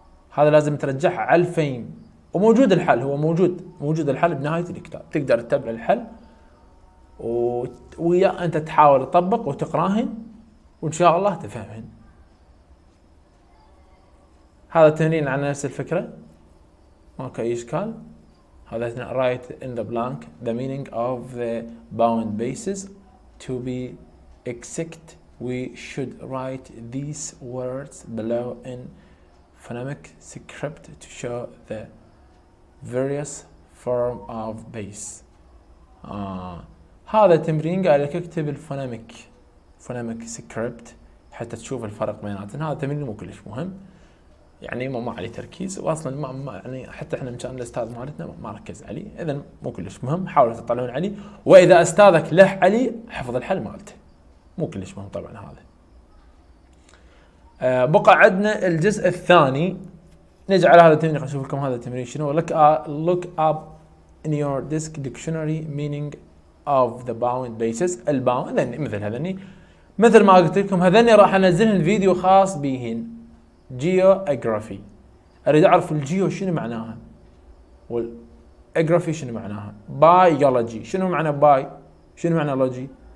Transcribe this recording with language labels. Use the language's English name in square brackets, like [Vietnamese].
[Arabic] هذا لازم ترجعها على الفيم. وموجود الحل، هو موجود، موجود الحل بنهاية الكتاب. تقدر تتبع الحل ويا أنت تحاول تطبق وتقراهن وإن شاء الله تفهمهن. هذا تمرين على نفس الفكرة، ماكو أي إشكال. [English] هذا write in the blank the meaning of the bound bases to be exact we should write these words below in phonemic script to show the various form of base. [Arabic] هذا تمرين قال لك اكتب الفونيميك فونيميك سكريبت حتى تشوف الفرق بيناتهم. هذا تمرين مو كلش مهم، يعني ما عليه تركيز، واصلا ما يعني حتى احنا مشان الاستاذ مالتنا ما ركز عليه. اذا مو كلش مهم، حاولوا تطلعون عليه. واذا استاذك لح عليه حفظ الحل مالته، مو كلش مهم طبعا. هذا بقى عندنا الجزء الثاني، نجي على هذا التمرين نشوف لكم هذا التمرين شنو. [English] look up in your disk dictionary meaning of the bound bases. [Arabic] الباوند هذني مثل هذني، مثل ما قلت لكم هذني راح انزلهم فيديو خاص بهن جيوغرافي. اريد اعرف الجيو شنو معناها والاجرافي شنو معناها، بايولوجي شنو معنى باي، شنو معنى لوجي.